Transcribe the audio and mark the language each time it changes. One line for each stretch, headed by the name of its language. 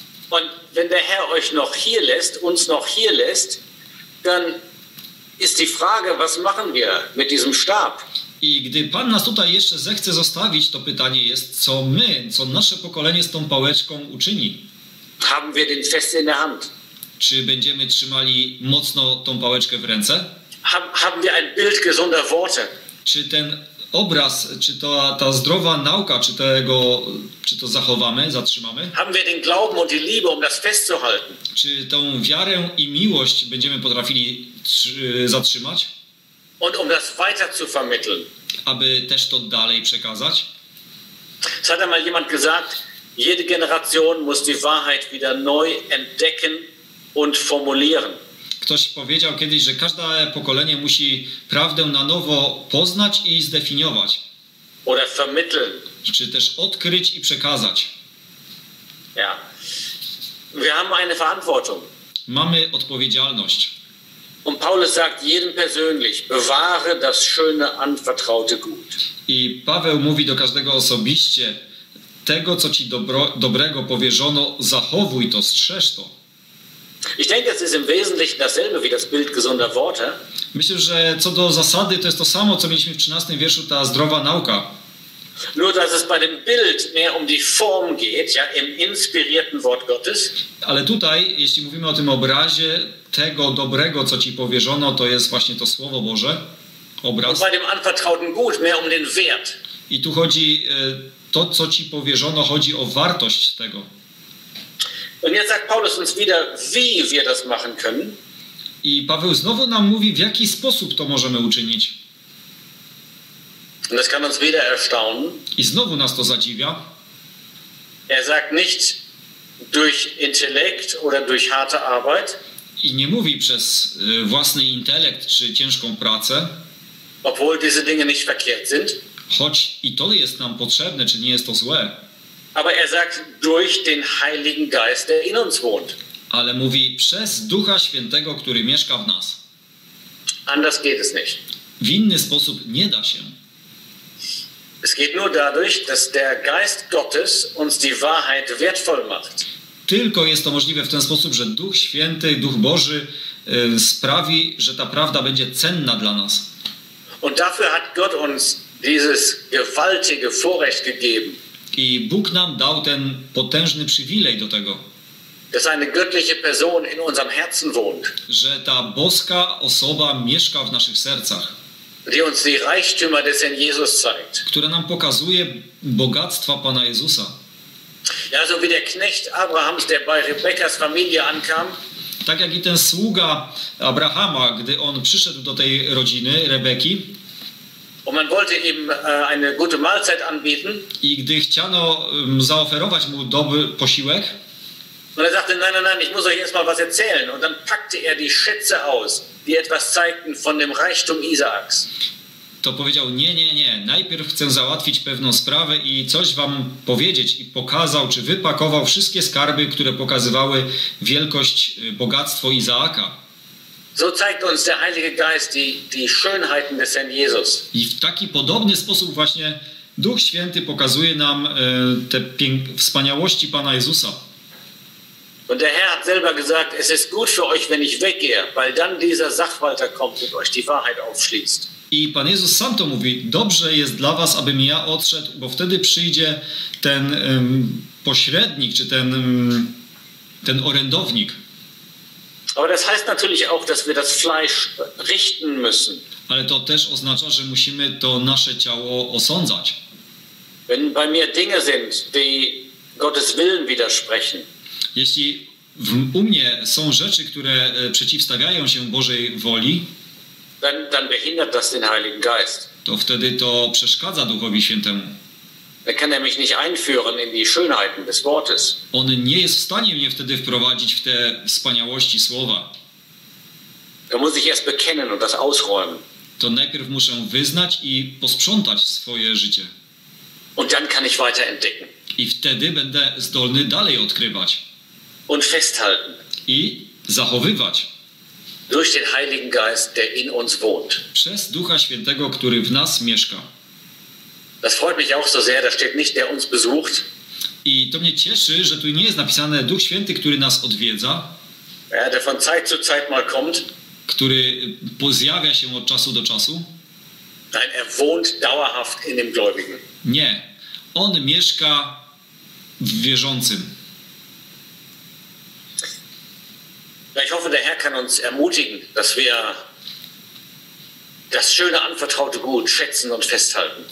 German: Und wenn der Herr euch noch hier lässt, uns noch hier lässt, dann ist die Frage, was machen wir mit diesem Stab?
Polish: I gdy Pan nas tutaj jeszcze zechce zostawić, to pytanie jest, co my, co nasze pokolenie z tą pałeczką uczyni?
German: Haben wir den fest in der Hand?
Polish: Czy będziemy trzymali mocno tą pałeczkę w ręce?
German: Haben wir ein Bild gesunder Worte?
Polish: Czy ten obraz, czy ta zdrowa nauka, czy to zachowamy, zatrzymamy?
German: Haben wir den Glauben und die Liebe, um das festzuhalten?
Polish: Czy tą wiarę i miłość będziemy potrafili zatrzymać?
German: Und um das weiter zu vermitteln.
Polish: Aby też to dalej przekazać?
German: Es hat einmal jemand gesagt, jede Generation muss die Wahrheit wieder neu entdecken und formulieren.
Polish: Ktoś powiedział kiedyś, że każde pokolenie musi prawdę na nowo poznać i zdefiniować.
German: Oder vermitteln.
Polish: Czy też odkryć i przekazać.
German: Ja. Wir haben eine Verantwortung.
Polish: Mamy odpowiedzialność.
German: Und Paulus sagt jedem persönlich, bewahre das schöne, anvertraute Gut.
Polish: I Paweł mówi do każdego osobiście, tego, co ci dobrego powierzono, zachowuj to, strzeż to.
German: Ich denke, es ist im Wesentlichen dasselbe wie das Bild gesunder Worte.
Polish: Myślę, że co do zasady, to jest to samo, co mieliśmy w 13. wierszu, ta zdrowa nauka.
German: Nur dass es bei dem Bild mehr um die Form geht, ja, im inspirierten Wort Gottes.
Polish: Ale tutaj, jeśli mówimy o tym obrazie tego dobrego, co ci powierzono, to jest właśnie to Słowo Boże, obraz.
German: Und bei dem anvertrauten Gut mehr um den Wert.
Polish: I tu chodzi to, co ci powierzono, chodzi o wartość tego.
German: Und jetzt sagt Paulus uns wieder, wie wir das machen können.
Polish: I Paweł znowu nam mówi, w jaki sposób to możemy uczynić.
German: Und das kann uns wieder erstaunen.
Polish: I znowu nas to zadziwia.
German: Er sagt nicht durch intelekt oder durch harte Arbeit.
Polish: I nie mówi przez własny intelekt czy ciężką pracę.
German: Obwohl diese Dinge nicht verkehrt sind.
Polish: Choć i to jest nam potrzebne, czy nie jest to złe.
German: Aber er sagt durch den Heiligen Geist, der in uns wohnt.
Polish: Ale mówi przez Ducha Świętego, który mieszka w nas.
German: Anders geht es nicht.
Polish: W inny sposób nie da się.
German: Es geht nur dadurch, dass der Geist Gottes uns die Wahrheit wertvoll macht.
Polish: Tylko jest to możliwe w ten sposób, że Duch Święty, Duch Boży sprawi, że ta prawda będzie cenna dla nas.
German: Und dafür hat Gott uns dieses gewaltige Vorrecht gegeben.
Polish: I Bóg nam dał ten potężny przywilej do tego.
German: Dass eine göttliche Person in unserem Herzen wohnt.
Polish: Że ta boska osoba mieszka w naszych sercach.
German: Die uns die Reichtümer des Herrn Jesus zeigt.
Polish: Które nam pokazuje bogactwa Pana Jezusa.
German: Ja, so wie der Knecht Abrahams, der bei Rebekkas Familie ankam.
Polish: Tak jak i ten sługa Abrahama, gdy on przyszedł do tej rodziny, Rebeki.
German: Und man wollte ihm eine gute Mahlzeit anbieten.
Polish: I gdy chciano zaoferować mu dobry posiłek.
German: Und er sagte, nein, nein, nein, ich muss euch erst mal was erzählen. Und dann packte er die Schätze aus, die etwas zeigten von dem Reichtum Isaaks.
Polish: To powiedział, nie, nie, nie, najpierw chcę załatwić pewną sprawę i coś wam powiedzieć. I pokazał, czy wypakował wszystkie skarby, które pokazywały wielkość, bogactwo Izaaka.
German: So zeigt uns der Heilige Geist die Schönheiten des Herrn Jesus.
Polish: I w taki podobny sposób właśnie Duch Święty pokazuje nam te wspaniałości Pana Jezusa.
German: Und der Herr hat selber gesagt, es ist gut für euch, wenn ich weggehe, weil dann dieser Sachwalter kommt und euch die Wahrheit aufschließt.
Polish: I Pan Jezus sam to mówi, dobrze jest dla was, abym ja odszedł, bo wtedy przyjdzie ten pośrednik, czy ten orędownik.
German: Aber das heißt natürlich auch, dass wir das Fleisch richten müssen.
Polish: Ale to też oznacza, że musimy to nasze ciało osądzać.
German: Wenn bei mir Dinge sind, die Gottes Willen widersprechen.
Polish: Jeśli u mnie są rzeczy, które przeciwstawiają się Bożej woli,
German: dann behindert das den Heiligen Geist.
Polish: To wtedy to przeszkadza Duchowi Świętemu.
German: Dann kann er mich nicht einführen in die Schönheiten des Wortes.
Polish: On nie jest w stanie mnie wtedy wprowadzić w te wspaniałości słowa.
German: Da muss ich erst bekennen und das ausräumen.
Polish: To najpierw muszę wyznać i posprzątać swoje życie.
German: Und dann kann ich weiter entdecken.
Polish: I wtedy będę zdolny dalej odkrywać.
German: Und festhalten.
Polish: I zachowywać.
German: Durch den Heiligen Geist, der in uns wohnt.
Polish: Przez Ducha Świętego, który w nas mieszka.
German: Das freut mich auch so sehr, da steht nicht, der uns besucht.
Polish: I to mnie cieszy, że tu nie jest napisane Duch Święty, który nas odwiedza.
German: Ja, der von Zeit zu Zeit mal kommt.
Polish: Który pozjawia się od czasu do czasu.
German: Nein, er wohnt dauerhaft in dem Gläubigen.
Polish: Nie. On mieszka w wierzącym.
German: Ich hoffe, der Herr kann uns ermutigen, dass wir das schöne anvertraute Gut schätzen und festhalten.